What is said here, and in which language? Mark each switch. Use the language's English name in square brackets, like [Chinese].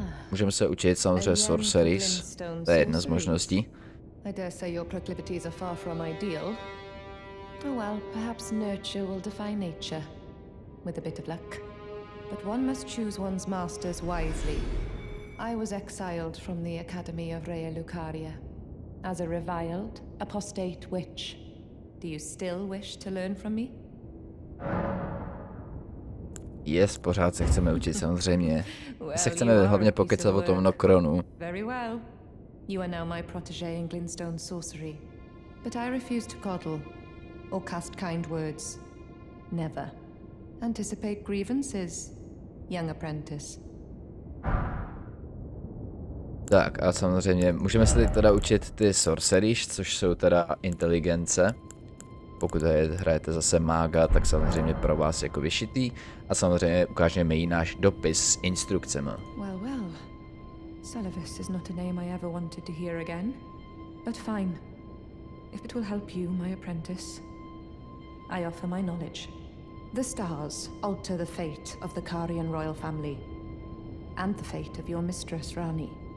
[Czech] Můžeme se učit samozřejmě sorceries. To je jedna z možností. [English] I dare say your proclivities are far from ideal. Oh well, perhaps nurture will defy nature. With a bit of luck. But one must choose one's masters wisely. I was exiled from the Academy of Rhea Lucaria as a reviled, apostate witch. Do you still wish to learn from me? [Czech] Yes, pořád se chceme učit, samozřejmě. Se chceme hlavně pokecat o tom Nokronu. [English] Very well. You are now my protégé in Glinstone sorcery. But I refuse to coddle or cast kind words. Never. Anticipate grievances, young apprentice. [Czech] Tak a samozřejmě můžeme se teda učit ty sorceries, což jsou teda inteligence. Pokud hrajete zase mága, tak samozřejmě pro vás jako vyšitý. A samozřejmě ukážeme jí náš dopis s instrukcemi. [English] Well, well. Celavis is not a name I ever wanted to hear again. But fine. If it will help you, my apprentice, I offer my knowledge. The stars alter the fate of the Carian royal family and the fate of your mistress Rani.